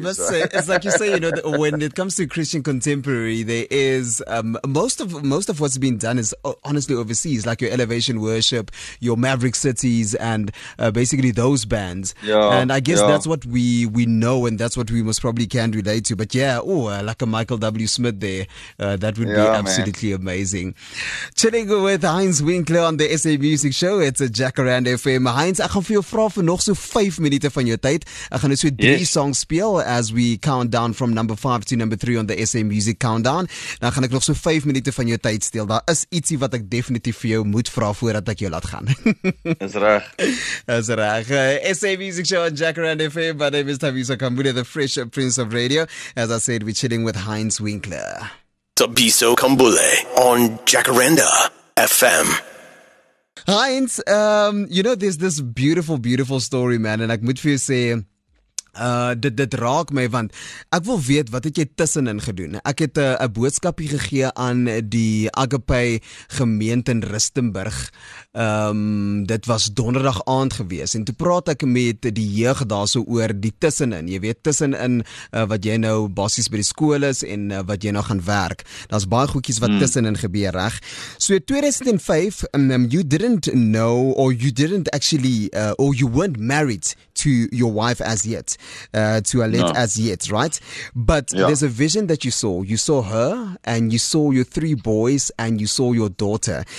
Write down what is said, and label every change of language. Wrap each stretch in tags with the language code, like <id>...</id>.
<en>I must say, it's like you say, you know, when it comes to Christian contemporary, there is most of what's been done is honestly overseas, like your Elevation Worship, your Maverick Cities, and basically those bands. Yeah, and I guess yeah. That's what we know, and that's what we most probably can relate to. But yeah, like a Michael W. Smith there, that would be absolutely amazing. Chilling with Heinz Winkler on the SA Music Show. It's a Jacaranda FM.</en> <af>Heinz, I gaan vir jou vra vir nog so 5 minute van jou tyd. Ek gaan net so 3 songs speel</af> <en>as we count down from number 5 to number 3 on the SA Music Countdown.</en> <af>Dan gaan ek nog so 5 minute van jou tyd steel. Daar is ietsie wat ek definitief vir jou moet vra voordat ek jou laat gaan. Is reg.</af> <en>SA Music Show on Jacaranda FM. My name is Tabiso Kambule, the Fresh Prince of Radio. As I said, we're chilling with Heinz Winkler. Tabiso Kambule on Jacaranda FM.</en> <af>Heinz,</af> <en>you know, there's this beautiful, beautiful story, man, and</en> <af>ek moet vir jou sê, dit raak my, want ek wil weet, wat het jy tussenin gedoen? Ek het 'n boodskapie gegee aan die Agape gemeente in Rustenburg. Dit was donderdag aand gewees, en toe praat ek met die jeug daar so oor die tussenin, jy weet, tussenin wat jy nou basies by die skool is en wat jy nou gaan werk. Daar's baie goedjies wat tussenin gebeur, reg?</af> <en>So 2005, you didn't know, or you didn't actually, or you weren't married to your wife as yet, to Alette as yet, right? But there's a vision that you saw. You saw her, and you saw your three boys, and you saw your daughter.</en>